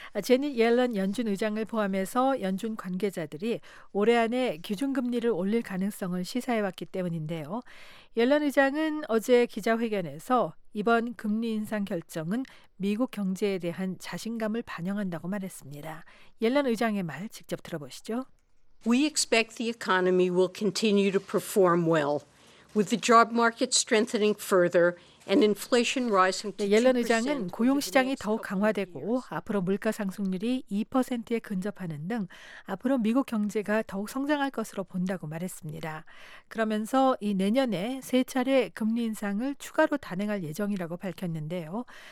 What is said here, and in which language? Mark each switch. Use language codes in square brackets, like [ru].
[ko] 제니 옐런 연준 의장을 포함해서 연준 관계자들이 올해 안에 기준금리를 올릴 가능성을 시사해왔기 때문인데요. 옐런 의장은 어제 기자회견에서 이번 금리 인상 결정은 미국 경제에 대한 자신감을 반영한다고 말했습니다. 옐런 의장의 말 직접 들어보시죠. [en] We expect the economy will continue to perform well, with the job market strengthening further and inflation rising. [ko] 옐런 의장은 고용 시장이 더욱 강화되고 앞으로 물가 상승률이 2%에 근접하는 등 앞으로 미국 경제가 더욱 성장할 것으로 본다고 말했습니다. 그러면서 이 내년에 세 차례 금리 인상을 추가로 단행할 예정이라고 밝혔는데요.